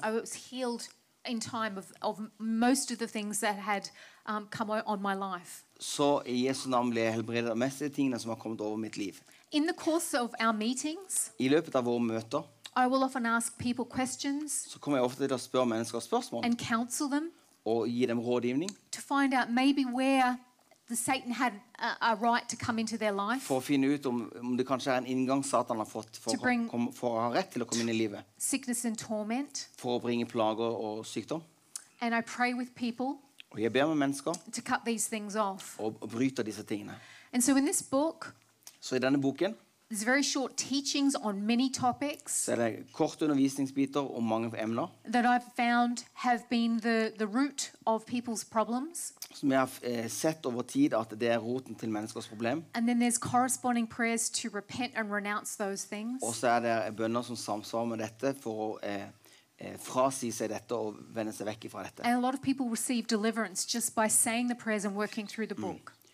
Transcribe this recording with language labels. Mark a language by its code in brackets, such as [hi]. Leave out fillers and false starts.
[en] I was healed in time of most of the things that had come on my life. [no] Så I Jesu navn ble jeg helbredet av mest av de tingene som har kommet over mitt liv. [en] In the course of our meetings, [no] I løpet av våre møter, [en] I will often ask people questions, [no] så kommer jeg ofte til å spørre mennesker spørsmål, [en] and counsel them, [no] og gi dem rådgivning, [en] to find out maybe where the Satan had a right to come into their life, [no] for å finne ut om det kanskje en inngang Satan har fått for å ha rett til å komme inn I livet, [en] sickness and torment, [no] for å bringe plager og sykdom, [en] and I pray with people, [no] og jeg ber med mennesker, [en] to cut these things off, [no] og bryte disse tingene, [en] and so in this book. [no] Så I denne boken, [en] There's very short teachings on many topics. [no] Så det korte undervisningsbiter om mange emner. [en] That I've found have been the root of people's problems. [no] Som jeg har sett over tid at det roten til menneskers problem. [en] And then there's corresponding prayers to repent and renounce those things. [no] Og så det bønner som samsvarer med dette for å frasi seg dette og vende seg vekk fra dette. [en] And a lot of people receive deliverance just by saying the prayers and working through the book.